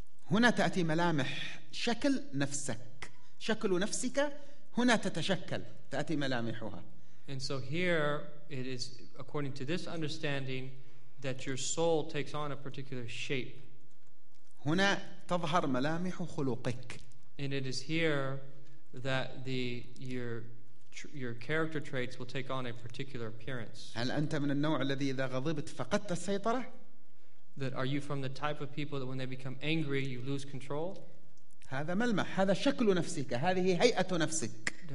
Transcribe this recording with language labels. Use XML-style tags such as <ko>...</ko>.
<ar>هنا تأتي ملامح شكل نفسك شكل نفسك هنا تتشكل تأتي ملامحها.</ar> <en>And so here it is according to this understanding that your soul takes on a particular shape.</en> <ar>هنا تظهر ملامح خلقك.</ar> <en>And it is here that your character traits will take on a particular appearance.</en> <ar>هل أنت من النوع الذي إذا غضبت فقدت السيطرة؟</ar> <en>That are you from the type of people that when they become angry you lose control?</en> <ar>هذا ملمح هذا شكل نفسك هذه هيئة نفسك.</ar>